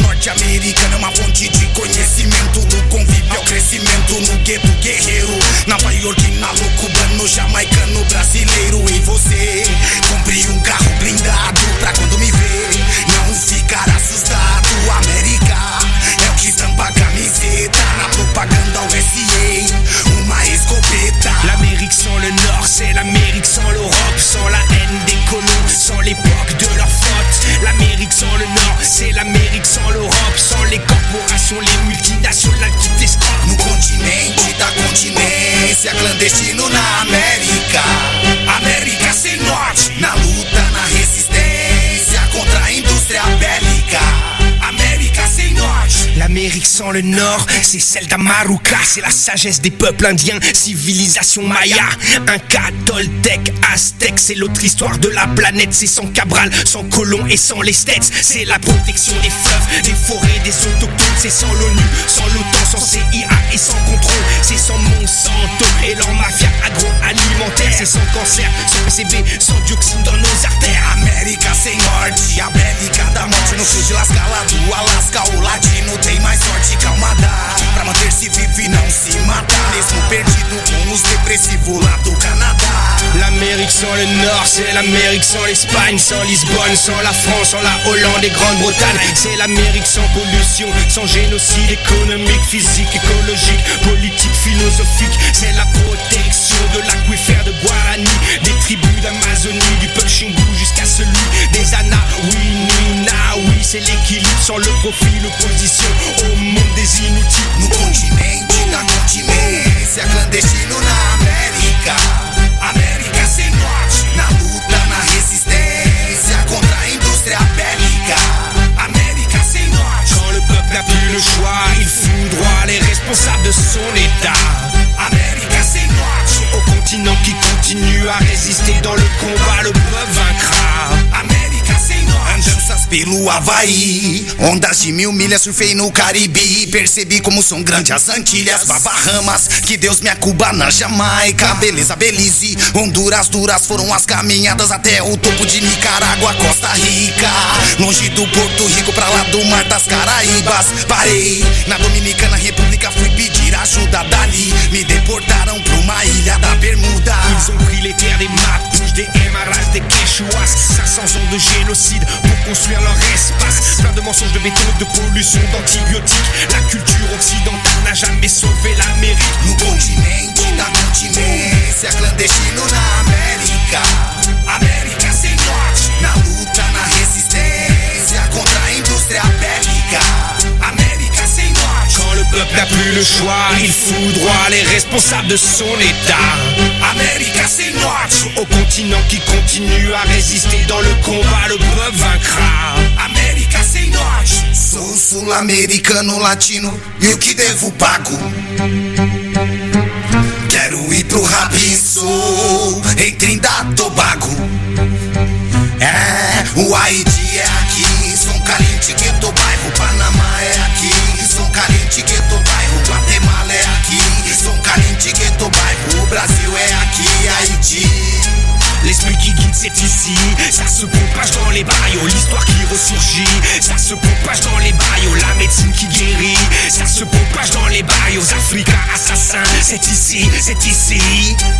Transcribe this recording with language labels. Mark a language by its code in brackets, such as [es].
[pt] Americana é uma fonte de conhecimento. No convívio ao crescimento, no gueto guerreiro, na maiorquina, louco, cubano, jamaicano, brasileiro. E você, compre um carro blindado pra quando me ver não ficar assustado. América é o que estampa a camiseta na propaganda USA, uma escopeta. [fr] L'Amérique sans le Nord, c'est l'Amérique sans l'Europe, sans la haine des colons, sans l'époque de leur faute. L'Amérique sans le Nord, c'est l'Amérique sans l'Europe, sans les corporations, les multinationales qui t'escortent. [pt] No continente da continência, clandestino na América. América sem norte, na luta, na resistência contra a indústria bélica. América. [fr] sans le nord, c'est celle d'Amaruka, c'est la sagesse des peuples indiens, civilisation maya, Inca, Toltec, Aztec, c'est l'autre histoire de la planète, c'est sans Cabral, sans Colomb et sans les Stets, c'est la protection des fleuves, des forêts, des autochtones, c'est sans l'ONU, sans l'OTAN, sans CIA et sans contrôle, c'est sans Monsanto et leur mafia agroalimentaire, c'est sans cancer, sans PCB, sans dioxine dans nos artères. [pt] América sem morte, América da morte, no sul de Las Galas do Alasca, o latino tem mais sorte, calma dá, pra manter-se vivo e não se matar, mesmo perdido com os depressivos lá do Canadá. [fr] L'Amérique sans le Nord, c'est l'Amérique sans l'Espagne, sans Lisbonne, sans la France, sans la Hollande et Grande-Bretagne. C'est l'Amérique sans pollution, sans génocide économique, physique, écologique, politique, philosophique. C'est la protection de l'aquifère de Guarani, des tribus d'Amazonie, du peuple Xingu jusqu'à celui des Anahuininaoui. C'est l'équilibre sans le profit, l'opposition au monde des inutiles. [pt] No continente, na continente, [fr] c'est [pt] clandestino na América. América sem norte, na luta, na resistência contra a indústria bélica. América sem norte, [fr] quand le peuple n'a plus le choix, il foudroie les responsables de son état. [pt] América sem norte, [fr] au continent qui continue à résister dans le combat, le peuple vaincra. [pt] América sem norte, andanças pelo Havaí, ondas de mil milhas, surfei no Caribe e percebi como são grandes as Antilhas, Bahamas, que Deus me acuba na Jamaica, beleza, Belize, Honduras, duras foram as caminhadas até o topo de Nicarágua, Costa Rica, longe do Porto Rico pra lá do Mar das Caraíbas, parei na Dominicana República, fui pedir ajuda dali, me deportaram pra uma ilha da Bermuda. [fr] Ils ont pris les terres des Mapuches, des Aymaras, des Quechuas, 500 ans de génocide pour construire leur espace, plein de mensonges, de béton, de pollution, d'antibiotiques. La culture occidentale n'a jamais sauvé l'Amérique. [pt] No continente, na continente, [fr] c'est [pt] clandestino na América. América sem norte, na luta, na resistência contra a indústria bélica. América sem norte, [fr] quand le peuple n'a plus le choix, il foudroie les responsables de son état. [pt] América sem norte, [fr] au continent qui continue à résister dans le combat, le peuple vaincra. [pt] América sem norte, sou sul-americano latino e o que devo pago? Quero ir pro Rabiço, em Trindade Tobago. É, o Haiti é aqui, São Caliente, Gueto, bairro Panamá é aqui, São Caliente, Gueto, bairro Guatemala é aqui, São Caliente, Gueto, bairro Brasil é aqui, Haiti. [fr] L'esprit qui guide c'est ici, ça se propage dans les barrios, l'histoire qui ressurgit, ça se propage dans les barrios, la médecine qui guérit, ça se propage dans les barrios, Africa assassin, c'est ici, c'est ici.